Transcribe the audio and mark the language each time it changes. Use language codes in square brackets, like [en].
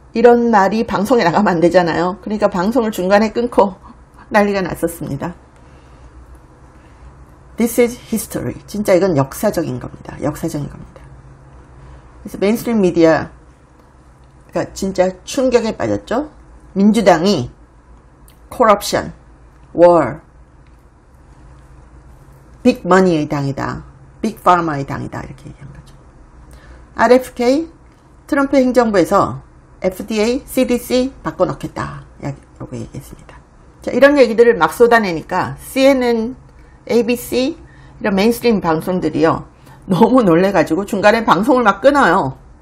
[ko] 이런 말이 방송에 나가면 안 되잖아요. 그러니까 방송을 중간에 끊고 난리가 났었습니다. [en] This is history. [ko] 진짜 이건 역사적인 겁니다. 역사적인 겁니다. 그래서 메인스트림 미디어가 진짜 충격에 빠졌죠. 민주당이 [en] corruption, war, big money [ko] 의 당이다. big pharma의 당이다. 이렇게 얘기한 거죠. RFK, 트럼프 행정부에서 FDA, CDC 바꿔넣겠다. 라고 얘기했습니다. 자, 이런 얘기들을 막 쏟아내니까 CNN, ABC 이런 메인스트림 방송들이요 너무 놀래가지고 중간에 방송을 막 끊어요.